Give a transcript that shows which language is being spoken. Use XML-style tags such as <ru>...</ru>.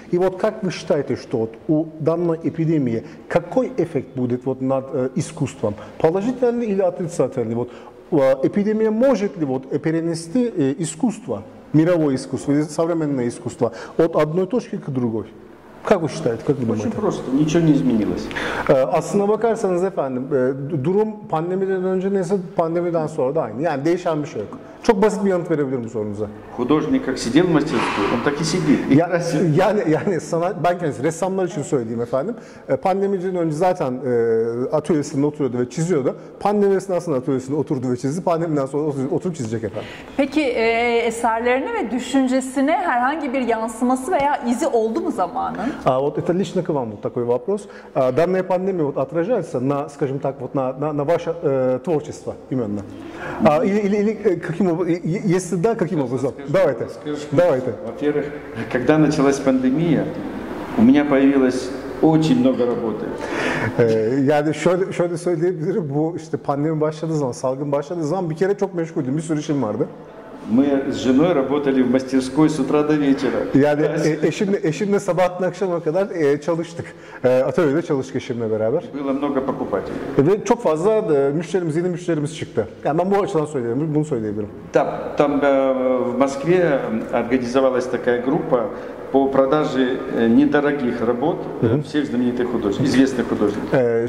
<ru>И вот как вы считаете, что вот у данной эпидемии какой эффект будет вот над искусством? Положительный или отрицательный? Вот эпидемия может ли вот перенести искусство, мировое искусство, современное искусство от одной точки к другой? Как вы считаете, как вы думаете? Очень просто, ничего не изменилось.</ru> <tr>Основа бакарсанız efendim, durum pandemiden önce neyse pandemiden sonra da aynı. Yani değişen bir şey yok. Çok basit bir yanıt verebilirim sorunuza.</tr> <ru>Художник как сидел в мастерской, он так и сидит.</ru> <tr>Yani sana ben kendisi ressamlar için söyleyeyim efendim. Pandemiden önce zaten atölyesinde oturuyordu ve çiziyordu. Pandemi esnasında atölyesinde oturdu ve çizdi. Pandemiden sonra oturup çizecek efendim. Peki eserlerine ve düşüncesine herhangi bir yansıması veya izi oldu mu zamanı?</tr> <ru>А вот это лично к вам вот такой вопрос. Данная пандемия вот отражается на, скажем так, вот на ваше творчество именно. Или каким образом, если да, каким образом? Давайте. Во-первых, когда началась пандемия, у меня появилось очень много работы.</ru> <tr>Yani şöyle söyleyebilirim, bu işte pandemi başladığı zaman, salgın başladığı zaman bir kere çok meşguldüm, bir sürü işim vardı.</tr> <ru>Мы с женой работали в мастерской с утра до вечера.</ru> <tr>Eşimle sabah akşama kadar çalıştık. Atölyede çalıştık eşimle beraber.</tr> <ru>Было много покупателей.</ru> <tr>Ve çok fazla müşterimiz, yeni müşterimiz çıktı. Yani ben bu açıdan söyleyebilirim, bunu söyleyebilirim.</tr> <ru>Да, там в Москве организовалась такая группа по продаже недорогих работ всех знаменитых художников, известных художников.</ru>